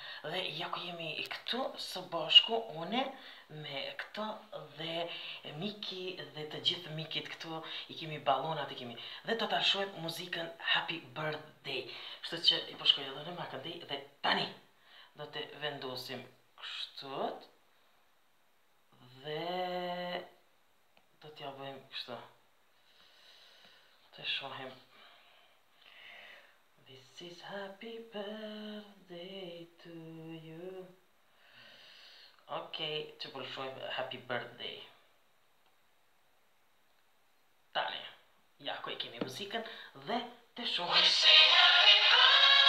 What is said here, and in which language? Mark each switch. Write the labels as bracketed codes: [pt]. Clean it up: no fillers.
[sq] Dhe ja ku jemi këtu së bashku une me këto dhe Miki dhe të gjithë Mikit këtu, i kemi balonat, i kemi dhe të tashojmë muzikën Happy Birthday, kështu që i përshkoj edhe në makën dhe, dhe tani do të vendosim kështut dhe do t'ja bëjmë kështu të shohim. [en] This is happy birthday to you. [sq] Okay, të përshojmë happy birthday. Tale, ja ku e kemi muzikën dhe të shohim.